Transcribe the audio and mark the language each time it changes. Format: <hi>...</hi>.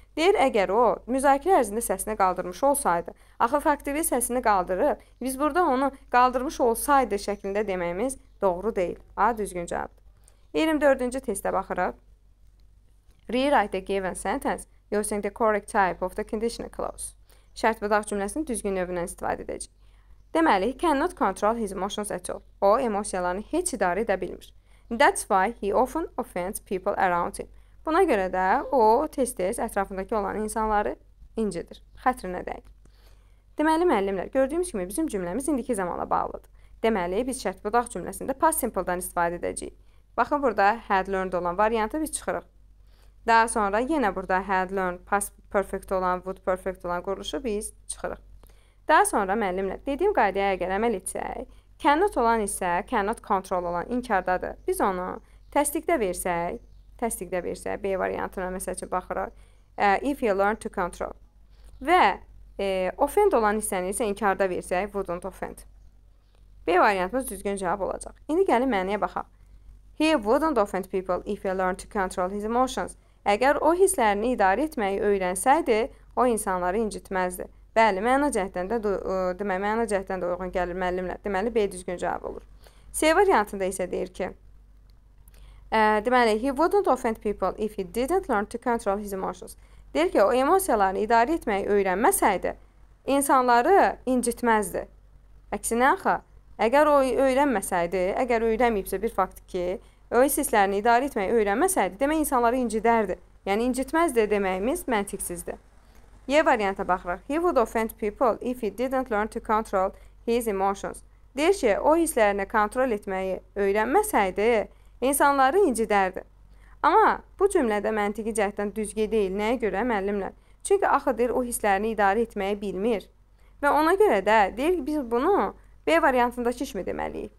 <az>Deyir, əgər o müzakirə ərzində səsini qaldırmış olsaydı, axı faktiki səsini qaldırıb, biz burada onu qaldırmış olsaydı şəklində deməyimiz doğru deyil. A düzgün cavabdır. 24-cü testə baxırıq.</az> <en>Rewrite the given sentence using the correct type of the conditional clause.</en> <az>Şərt budaq cümləsinin düzgün növündən istifadə edəcək. Deməli,</az> <en>he cannot control his emotions at all.</en> <az>O emosiyalarını heç idarə edə bilmir.</az> <en>That's why he often offends people around him.</en> <az>Buna görə də o tez-tez ətrafındakı olan insanları incidir. Xətrinə dəyir. Deməli, müəllimlər, gördüyümüz kimi bizim cümləmiz indiki zamana bağlıdır. Deməli, biz şərt budaq cümləsində past simple-dan istifadə edəcəyik. Baxın, burada had learned olan variantı biz çıxırıq. Daha sonra yenə burada had learned, past perfect olan, would perfect olan quruluşu biz çıxırıq. Daha sonra müəllimlər, dediyim qaydaya əgər əməl etsək, cannot olan isə cannot control olan inkardadır. Biz onu təsdiqdə versək, B variantına məsəl üçün baxırıq.</az> <en>If you learn to control.</en> <az>Və offend olan hissəni isə inkarda versək,</az> <en>wouldn't offend.</en> <az>B variantımız düzgün cavab olacaq. İndi gəlin mənaya baxaq.</az> <en>He wouldn't offend people if he learned to control his emotions.</en> <az>Əgər o hisslərini idarə etməyi öyrənsəydi, o insanları incitməzdi. Bəli, məna cəhətdən də demək, məna cəhətdən də uyğun gəlir müəllimlər. Deməli, B düzgün cavab olur. C variantında isə deyir ki, deməli,</az> <en>he wouldn't offend people if he didn't learn to control his emotions.</en> <az>Deyir ki, o emosiyalarını idarə etməyi öyrənməsəydi, insanları incitməzdi. Əksinə axı, əgər o öyrənməsəydi, əgər öyrənməyibsə bir fakt ki, o hisslərini idarə etməyi öyrənməsəydi, demək insanları incidərdi. Yəni, incitməzdi deməyimiz məntiqsizdi. Y variantına baxırıq.</az> <en>He would offend people if he didn't learn to control his emotions.</en> <az>Deyir ki, o hisslərini kontrol etməyi öyrənməsəydi, İnsanları incidərdi. Amma bu cümlədə məntiqi cəhətdən düzgün deyil. Nəyə görə, müəllimlər? Çünki axı deyir, o hisslərini idarə etməyi bilmir. Və ona görə də deyir ki, biz bunu B variantındakı kimi deməliyik.</az>